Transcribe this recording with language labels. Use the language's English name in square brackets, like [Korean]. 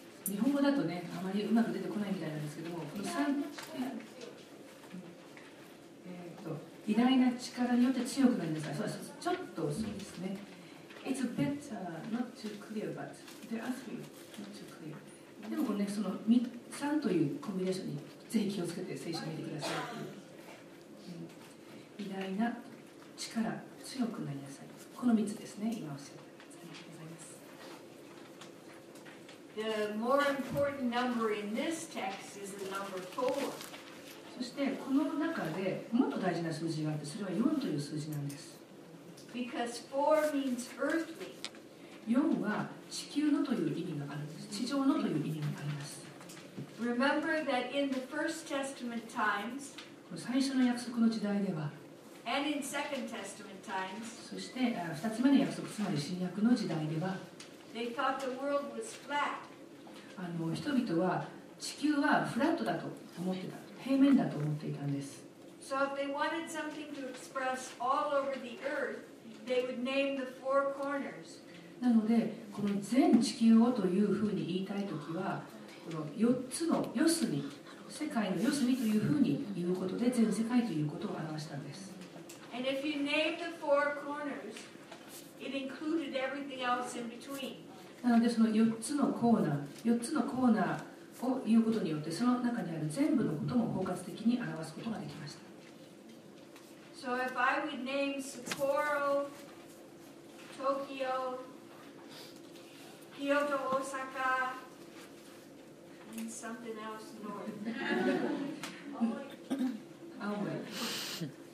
[Japanese] 日本語だとね、あまりうまく出てこないみたいなんですけども、この三、偉大な力によって強くなるんですか。そうです。ちょっとそうですね。 [English] It's better not too clear, but there are three, not too clear. [Japanese] でもこのね、その三というコンビネーションにぜひ気をつけて聖書を見てください。偉大な力。強くなりなさい。この3つですね。今おっしゃった。ありがとうございます。 [English] The more important number in this text is the number four. [Japanese] そしてこの中でもっと大事な数字があって、それは4という数字なんです。 [English] Because four means earthly. [Japanese] 4は地球のという意味があるんです。地上のという意味があります。 [English] Remember that in the first testament times. [Japanese] 最初の約束の時代では。 [English] And in Second Testament times, [Japanese] そして二つ目の約束、つまり新約の時代では、 [English] they thought the world was flat. [Japanese] 人々は地球はフラットだと思ってた、平面だと思っていたんです。 [English] So if they wanted something to express all over the earth, they would name the four corners. [Japanese] なのでこの全地球をというふうに言いたいときは、この四つの四隅、世界の四隅というふうに言うことで全世界ということを表したんです。 [English] And if you name the four corners, it included everything else in between. [Japanese] なのでその4つのコーナー、4つのコーナーを言うことによって、その中にある全部のことも包括的に表すことができました。 [English] So if I would name Sapporo, Tokyo, Kyoto, Osaka, and something else north.